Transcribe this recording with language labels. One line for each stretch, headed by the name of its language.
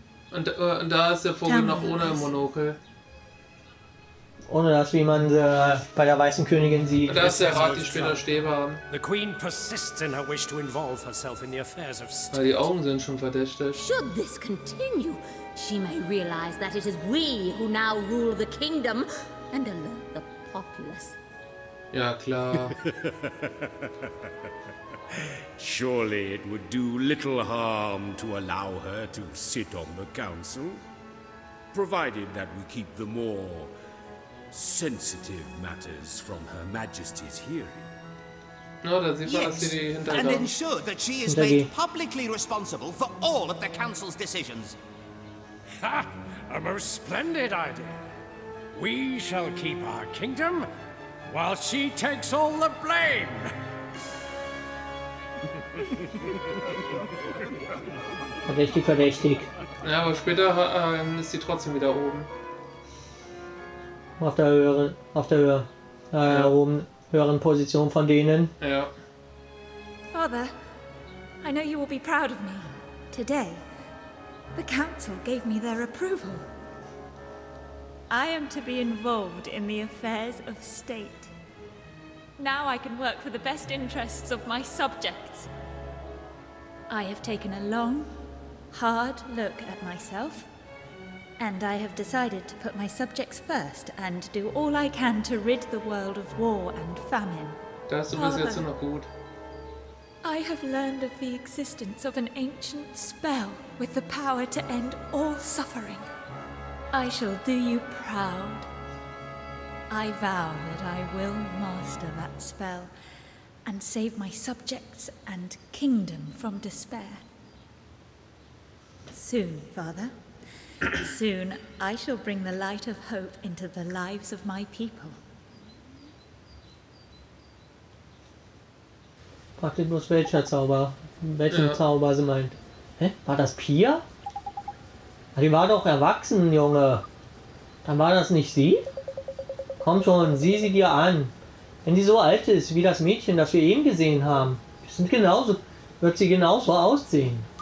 German: Und da ist der Vogel noch ohne Monokel. Ohne das, wie man bei der weißen Königin sieht. Das ist der Rat, die später Stäbe haben.
English: The queen persists in her wish to involve herself in the affairs of state.
German: Weil die Augen sind schon verdächtig.
English: Should this continue, she may realize that it is we who now rule the kingdom and alert the populace.
German: Ja, klar.
English: Surely it would do little harm to allow her to sit on the council, provided that we keep the more sensitive matters from Her Majesty's hearing. No, that's the yes, and ensure that she is made publicly responsible for all of the council's decisions. Ha! A most splendid idea. We shall keep our kingdom while she takes all the blame.
German: Verdächtig, verdächtig. Ja, aber später ist sie trotzdem wieder oben. Höheren Position von denen. Ja.
English: Father, I know you will be proud of me. Today, the council gave me their approval. I am to be involved in the affairs of state. Now I can work for the best interests of my subjects. I have taken a long, hard look at myself. And I have decided to put my subjects first and do all I can to rid the world of war and famine.
German: Das ist bis jetzt noch gut.
English: I have learned of the existence of an ancient spell with the power to end all suffering. I shall do you proud. I vow that I will master that spell and save my subjects and kingdom from despair. Soon, Father. Soon I shall bring the light of hope into the lives of my people.
German: fragte bloß, welcher Zauber, welchen Zauber sie meint. Hä? War das Pia? Die war doch erwachsen, Junge. Dann war das nicht sie? Komm schon, sieh sie dir an. Wenn sie so alt ist wie das Mädchen, das wir eben gesehen haben, wird sie genauso aussehen.